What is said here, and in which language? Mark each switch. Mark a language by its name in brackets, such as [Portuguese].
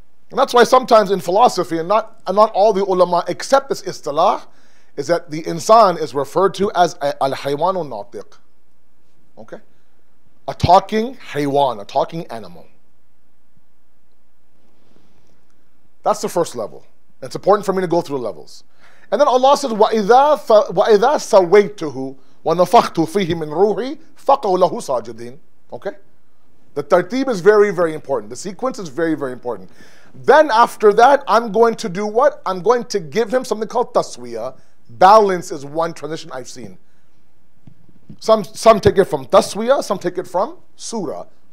[English] And that's why sometimes in philosophy, and not all the ulama accept this istilah, is that the insan is referred to as al-haywan al-natiq. Okay? A talking haywan, a talking animal. That's the first level. It's important for me to go through the levels. And then Allah says, [Arabic] وَإِذَا سَوَيْتُهُ وَنَفَخْتُ فِيهِ مِنْ رُوحِي فَقَوْ لَهُ سَاجِدِينَ. [English] Okay? The tartib is very, very important. The sequence is very, very important. Then after that, I'm going to do what? I'm going to give him something called taswiya. Balance is one transition I've seen. Some take it from taswiya, some take it from surah.